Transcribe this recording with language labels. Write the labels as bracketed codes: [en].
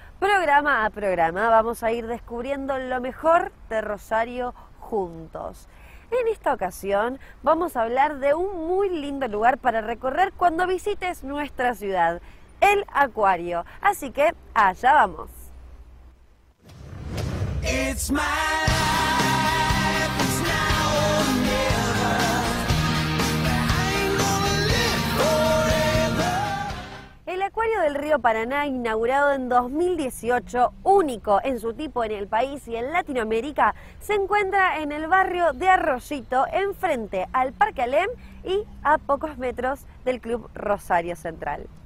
[es] Programa a programa vamos a ir descubriendo lo mejor de Rosario juntos. En esta ocasión vamos a hablar de un muy lindo lugar para recorrer cuando visites nuestra ciudad, el Acuario. Así que allá vamos. [en] It's my life, it's now or never. I ain't gonna live forever. [es] El Acuario del Río Paraná, inaugurado en 2018, único en su tipo en el país y en Latinoamérica, se encuentra en el barrio de Arroyito, enfrente al Parque Alem y a pocos metros del Club Rosario Central.